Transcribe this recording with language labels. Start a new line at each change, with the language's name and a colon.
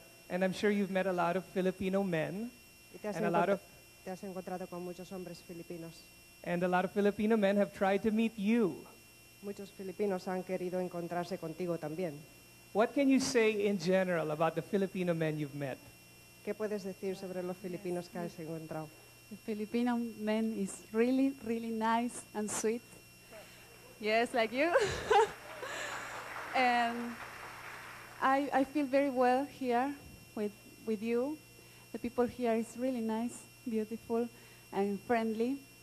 English: And I'm sure you've met a lot of Filipino men.
Spanish: Te has encontrado con muchos hombres filipinos.
English: And a lot of Filipino men have tried to meet you.
Spanish: Muchos filipinos han querido encontrarse contigo también.
English: What can you say in general about the Filipino men you've met?
Spanish: ¿Qué puedes decir sobre los filipinos que has encontrado?
English: The Filipino men is really, really nice and sweet. Yes, like you. And I feel very well here with you. The people here is really nice, beautiful, and friendly.